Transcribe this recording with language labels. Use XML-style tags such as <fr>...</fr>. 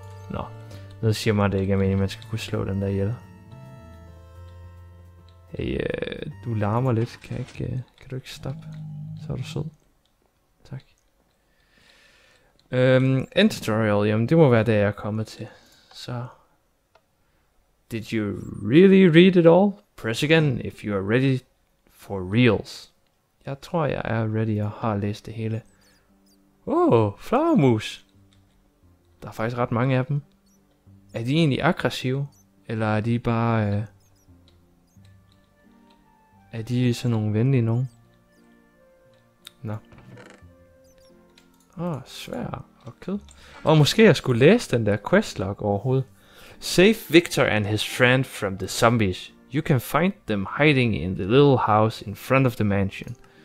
<da>Nå, nu siger man det ikke er meningen, man skal kunne slå den der ihjel. Hey, du larmer lidt. Kan du ikke stoppe? Så er du sød. Tak.</da> <en>End tutorial,</en> <da>jamen det må være det, jeg er kommet til.</da> <en>Så. Did you really read it all? Press again if you are ready for reals.</en> <da>Jeg tror, jeg er ready og har læst det hele. Oh, flagermus. Der er faktisk ret mange af dem. Er de egentlig aggressive? Eller er de bare... Er de sådan nogle venlige nogen? Nå. Åh, svær og kød. Og måske jeg skulle læse den der questlog overhovedet.</da> <en>Save Victor and his friend from the zombies. You can find them hiding in the little house in front of the mansion.</en>